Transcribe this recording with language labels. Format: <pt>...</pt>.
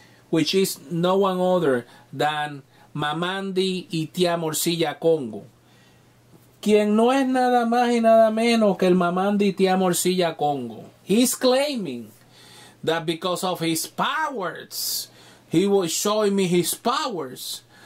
<en>which is no one other than Mamandi y Tía Morcilla Congo.</en> <es>Quien no es nada más y nada menos que el Mamandi y Tía Morcilla Congo.</es> <en>He's claiming that because of his powers, he was showing me his powers.</en>